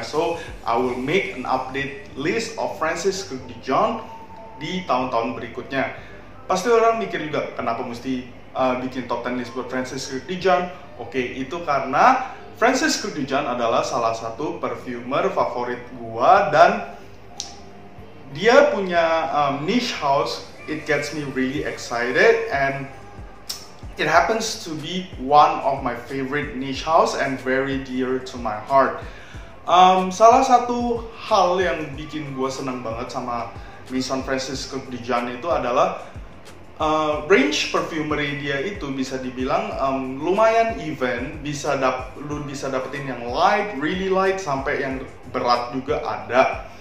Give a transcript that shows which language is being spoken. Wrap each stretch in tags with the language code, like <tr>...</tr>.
<en>So, I will make an update list of Francis Kurkdjian</en> <id>di tahun-tahun berikutnya. Pasti orang mikir juga kenapa mesti bikin top 10 list buat Francis Kurkdjian. Oke, itu karena Francis Kurkdjian adalah salah satu perfumer favorit gua dan dia punya niche house.</id> <en>It gets me really excited and it happens to be one of my favorite niche house and very dear to my heart.</en> <id>Salah satu hal yang bikin gua senang banget sama Maison Francis Kurkdjian itu adalah range perfumery dia itu bisa dibilang lumayan even, lu bisa dapetin yang light,</id> <en>really light</en> <id>sampai yang berat juga ada.</id>